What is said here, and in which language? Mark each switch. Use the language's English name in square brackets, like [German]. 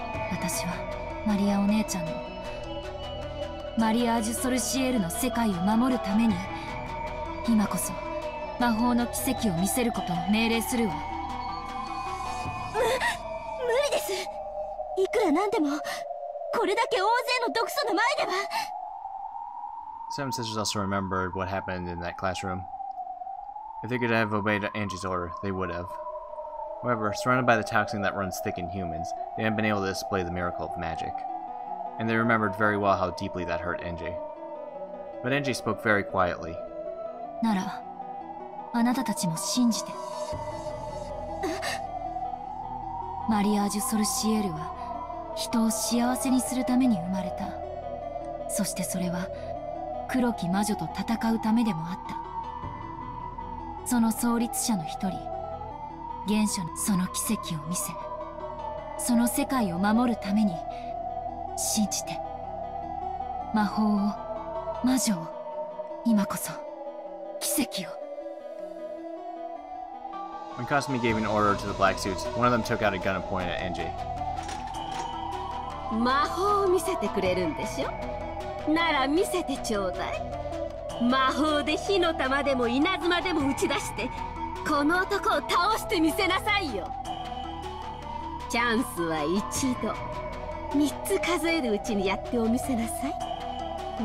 [Japanese] 私はマリアお姉ちゃんの、マリアージュソルシエールの世界を守るために、今こそ魔法の奇跡を見せることを命令するわ。無理です。いくらなんでもこれだけ大勢の毒素の前では。 [English] Seven Sisters also remembered what happened in that classroom. If they could have obeyed Angie's order, they would have. However, surrounded by the toxin that runs thick in humans, they haven't been able to display the miracle of magic. And they remembered very well how deeply that hurt Angie. But Angie spoke very quietly. [Japanese] Nara, あなたたちも信じて。マリアージュソルシエールは人を幸せにするために生まれた。そしてそれは黒き魔女と戦うためでもあった。その創立者の一人、原初にその奇跡を見せ、その世界を守るために信じて。魔法を、魔女を、今こそ奇跡を。 [English] When Kasumi gave an order to the black suits, one of them took out a gun and pointed at Angie. [Japanese] 魔法を見せてくれるんでしょ？なら見せてちょうだい。魔法で火の玉でも稲妻でも打ち出して、この男を倒してみせなさいよ。チャンスは一度、三つ数えるうちにやっておみせなさい。